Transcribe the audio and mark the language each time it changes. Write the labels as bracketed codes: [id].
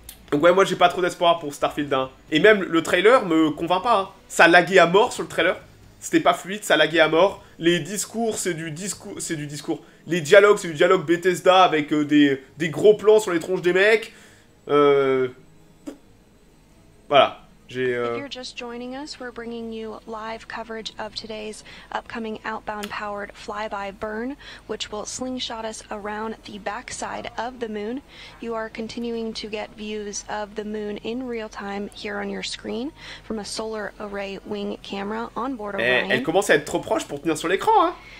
[fr] Donc ouais, moi j'ai pas trop d'espoir pour Starfield 1. Et même le trailer me convainc pas, hein. Ça laguait à mort sur le trailer. C'était pas fluide, ça laguait à mort. Les discours, c'est du discours. Les dialogues, c'est du dialogue Bethesda avec des gros plans sur les tronches des mecs. Voilà. [en] If you're just joining us, we're bringing you live coverage of today's upcoming outbound-powered flyby burn, which will slingshot us around the backside of the moon. You are continuing to get views of the moon in real time here on your screen from a solar array wing camera on board Orion. [fr] Elle commence à être trop proche pour tenir sur l'écran, hein.